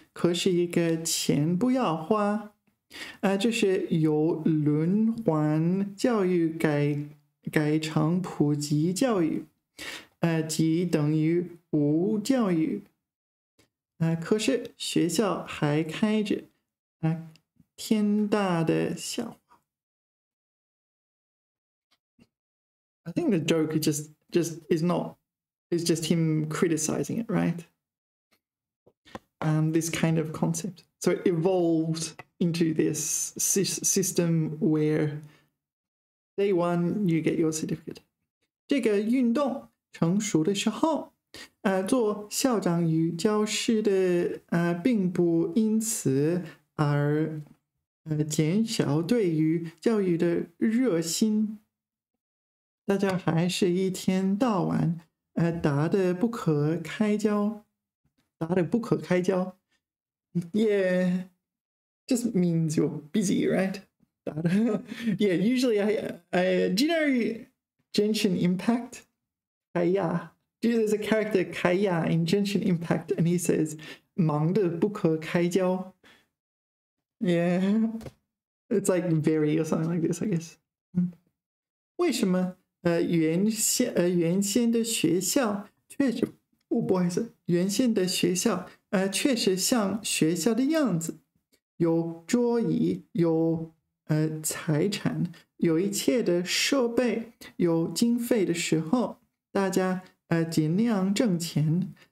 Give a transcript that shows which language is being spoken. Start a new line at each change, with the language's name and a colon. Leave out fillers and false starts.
Chinese: 可是一个钱不要花，这是由轮换教育改成普及教育，即等于无教育，可是学校还开着，天大的笑话。
English: I think the joke is just him criticizing it, right? This kind of concept. So it evolved into this system where day one you get your certificate.
Chinese: 这个运动成熟的时候，做校长与教师的并不因此而减少对于教育的热心。大家还是一天到晚打得不可开交，打得不可开交。
English: Yeah, just means you're busy, right? Yeah, usually do you know Genshin Impact? Kaya. There's a character, Kaya, in Genshin Impact, and he says,
Chinese: 忙得不可开交.
English: Yeah, it's like very or something like this, I guess.
Chinese: 为什么原先的学校确实，哦，不好意思，原先的学校。确实像学校的样子，有桌椅，有财产，有一切的设备，有经费的时候，大家尽量挣钱。